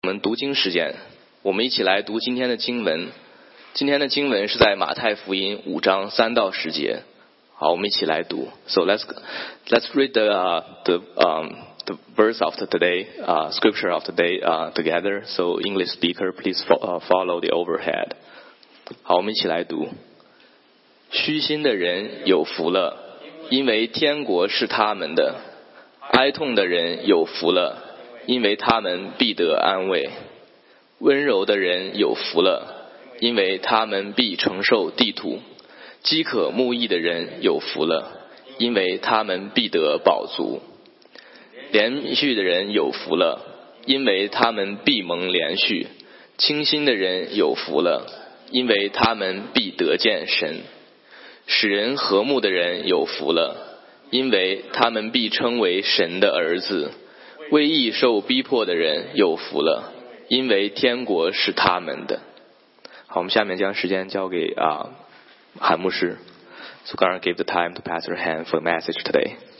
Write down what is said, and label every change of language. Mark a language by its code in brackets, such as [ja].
[zh] 们读经时间，我们一起来读今天的经文。今天的经文是在马太福音五章三到十节。好，我们一起来读。 [en] So let's read the verse of today, scripture of today, together. So English speaker, please follow the overhead. [zh] 好，我们一起来读。虚心的人有福了，因为天国是他们的。哀痛的人有福了，因为他们必得安慰。温柔的人有福了，因为他们必承受地土。饥渴慕义的人有福了，因为他们必得饱足。连续的人有福了，因为他们必蒙连续。清心的人有福了，因为他们必得见神。使人和睦的人有福了，因为他们必称为神的儿子。为义受逼迫的人有福了，因为天国是他们的。好，我们下面将时间交给韩牧师。 [en] So God gave the time to Pastor Han for the message today.